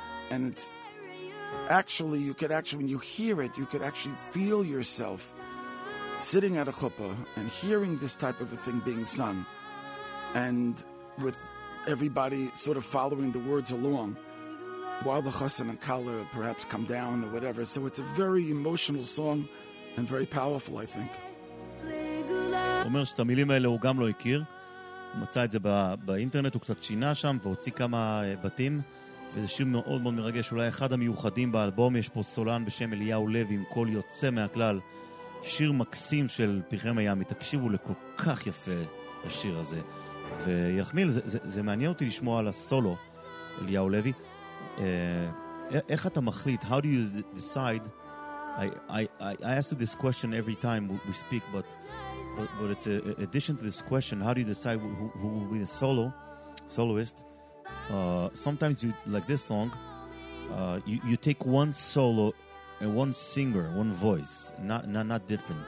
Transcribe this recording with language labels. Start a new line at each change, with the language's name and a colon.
English: And it's actually, you could actually, when you hear it, you could actually feel yourself sitting at a chuppah and hearing this type of a thing being sung, and with everybody sort of following the words along while the chassan and kala perhaps come down or whatever. So it's a very emotional song and very powerful, I think.
Hebrew: אומר שאת המילים האלה הוא גם לא הכיר, הוא מצא את זה באינטרנט, הוא קצת שינה שם והוציא כמה בתים, וזה שיר מאוד מאוד מרגש, אולי אחד המיוחדים באלבום. יש פה סולן בשם אליהו לוי עם קול יוצא מהכלל, שיר מקסים של פיחי מיאמי. תקשיבו לכל כך יפה השיר הזה. ויחמיל, זה מעניין אותי לשמוע על הסולו, אליהו לוי. איך אתה מחליט?
English: How do you decide? I ask you this question every time we speak, but it's an addition to this question. How do you decide who will be the soloist? Sometimes you, like this song, you take one solo and one singer, one voice, not different.